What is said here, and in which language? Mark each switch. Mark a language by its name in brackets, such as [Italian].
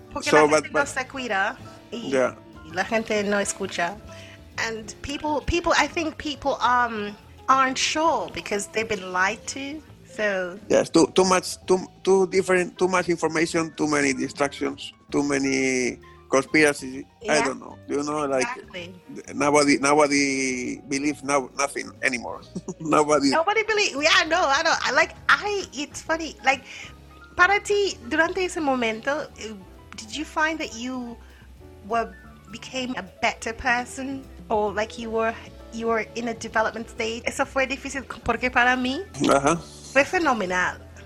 [Spanish] Porque so, la gente no se cuida y la gente no escucha. [English] And people, I think people aren't sure because they've been lied to. So yes, too much information, too many distractions, too many conspiracies. Yeah. I don't know. You know, like exactly. nobody believes nothing anymore. nobody believe. Yeah, no, I don't. It's funny. Like, [Spanish] para ti durante ese momento, [English] did you find that you became a better person? Or like you were in a development stage. [Spanish] Eso fue difícil porque para mí fue fenomenal.